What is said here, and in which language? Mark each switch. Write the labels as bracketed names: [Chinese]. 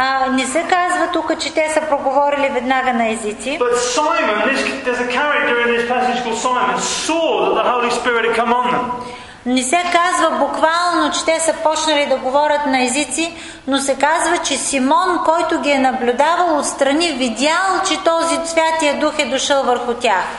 [Bulgarian] Не се казва тук, че те са проговорили веднага на езици. [English] But Simon, there's a character in this passage called Simon, saw that the Holy Spirit had come on them. [Bulgarian] Не се казва буквално, че те са почнали да говорят на езици, но се казва, че Симон, който ги е наблюдавал отстрани, видял, че този Святия Дух е дошъл върху тях.